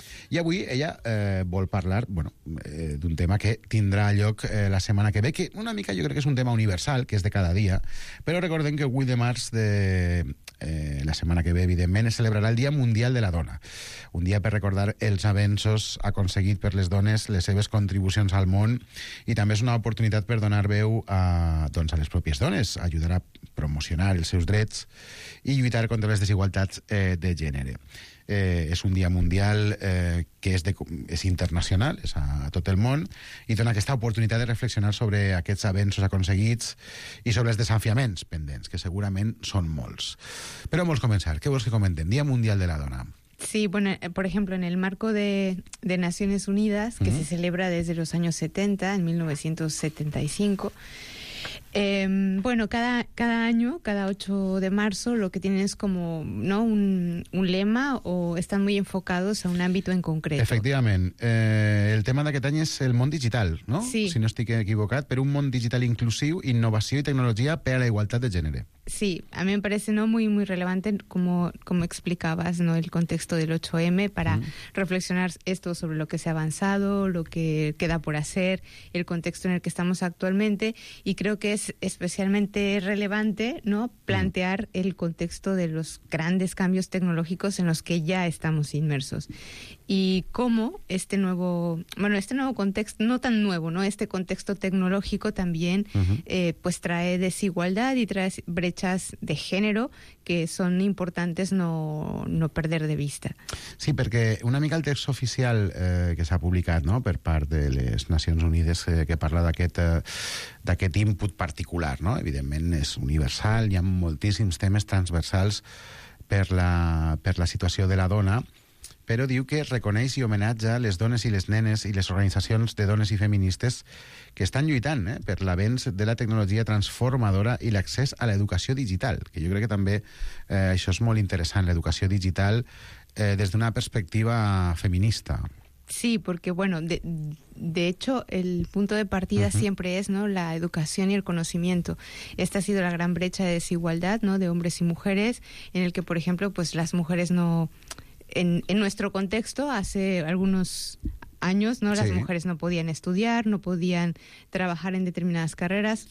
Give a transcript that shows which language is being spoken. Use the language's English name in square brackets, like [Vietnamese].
[Catalan] I avui ella vol parlar, bueno, d'un tema que tindrà lloc la setmana que ve, que una mica jo crec que és un tema universal, que és de cada dia, però recordem que el 8 de març de la setmana que ve, evidentment, es celebrarà el Dia Mundial de la Dona, un dia per recordar els avenços aconseguits per les dones, les seves contribucions al món, i també és una oportunitat per donar veu a les pròpies dones, ajudar a promocionar els seus drets i lluitar contra les desigualtats de gènere. És un dia mundial que és internacional, és a tot el món, i dona aquesta oportunitat de reflexionar sobre aquests avenços aconseguits i sobre els desafiaments pendents, que segurament són molts. Però vols començar. Què vols que comentem? Dia Mundial de la Dona. [Spanish] Sí, bueno, por ejemplo, en el marco de Naciones Unidas, que se celebra desde los años 70, en 1975... Bueno, cada año, cada 8 de marzo, lo que tienen es como, ¿no?, un lema, o están muy enfocados a un ámbito en concreto. Efectivamente. [Catalan] El tema d'aquest any és el món digital, no? Sí. Si no estic equivocat, per un món digital inclusiu, innovació i tecnologia per a la igualtat de gènere. [Spanish] Sí, a mí me parece, ¿no?, muy, muy relevante, como explicabas, ¿no?, el contexto del 8M para reflexionar esto sobre lo que se ha avanzado, lo que queda por hacer, el contexto en el que estamos actualmente, y creo que es especialmente relevante, ¿no?, plantear el contexto de los grandes cambios tecnológicos en los que ya estamos inmersos. Y cómo este nuevo contexto, no tan nuevo, ¿no?, este contexto tecnológico también pues trae desigualdad y trae brechas de género que son importantes no perder de vista. [Catalan] Sí, perquè una mica el text oficial que s'ha publicat, no?, per part de les Nacions Unides, que parla d'aquest input particular, no?, evidentment és universal, hi ha moltíssims temes transversals per la situació de la dona, però diu que reconeix i homenatja les dones i les nenes i les organitzacions de dones i feministes que estan lluitant per l'avenç de la tecnologia transformadora i l'accés a l'educació digital, que jo crec que també això és molt interessant, l'educació digital des d'una perspectiva feminista. [Spanish] Sí, porque bueno, de hecho el punto de partida siempre es, ¿no?, la educación y el conocimiento. Esta ha sido la gran brecha de desigualdad, ¿no?, de hombres y mujeres, en el que, por ejemplo, pues las mujeres no, en nuestro contexto, hace algunos años, ¿no?, las mujeres no podían estudiar, no podían trabajar en determinadas carreras.